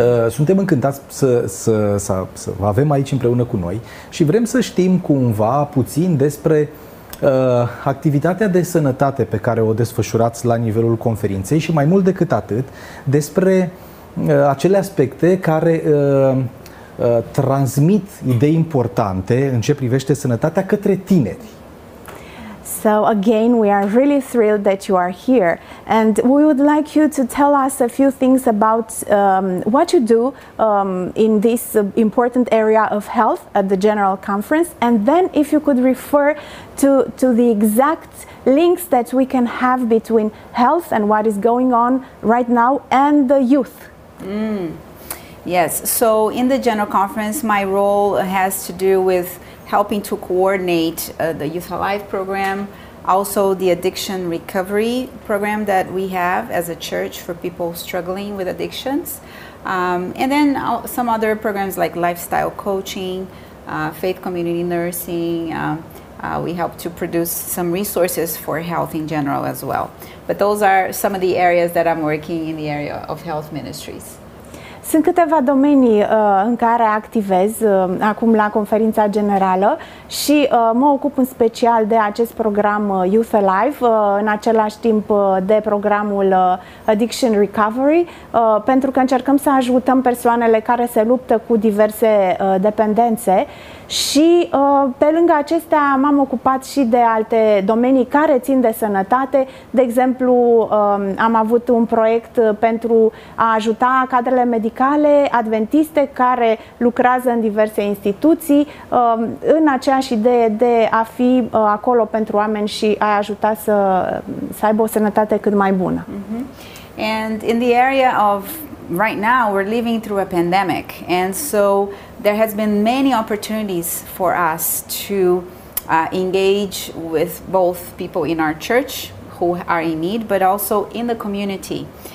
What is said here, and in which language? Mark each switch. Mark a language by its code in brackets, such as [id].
[ro] Suntem încântați să vă avem aici împreună cu noi și vrem să știm cumva puțin despre activitatea de sănătate pe care o desfășurați la nivelul conferinței și mai mult decât atât despre acele aspecte care transmit idei importante în ce privește sănătatea către tineri. [en] So again, we are really thrilled that you are here. And we would like you to tell us a few things about what you do in this important area of health at the General Conference. And then if you could refer to the exact links that we can have between health and what is going on right now and the youth. Yes, so in the General Conference, my role has to do with helping to coordinate the Youth Alive program, also the addiction recovery program that we have as a church for people struggling with addictions, and then some other programs like lifestyle coaching, faith community nursing. We help to produce some resources for health in general as well. But those are some of the areas that I'm working in the area of health ministries. [ro] Sunt câteva domenii în care activez acum la conferința generală și mă ocup în special de acest program Youth Alive, în același timp de programul Addiction Recovery, pentru că încercăm să ajutăm persoanele care se luptă cu diverse dependențe. Și pe lângă acestea m-am ocupat și de alte domenii care țin de sănătate. De exemplu, am avut un proiect pentru a ajuta cadrele medicale adventiste care lucrează în diverse instituții, în aceeași idee de a fi acolo pentru oameni și a ajuta să aibă o sănătate cât mai bună. [en] And in the area of right now, we're living through a pandemic, and so there has been many opportunities for us to engage with both people in our church who are in need, but also in the community.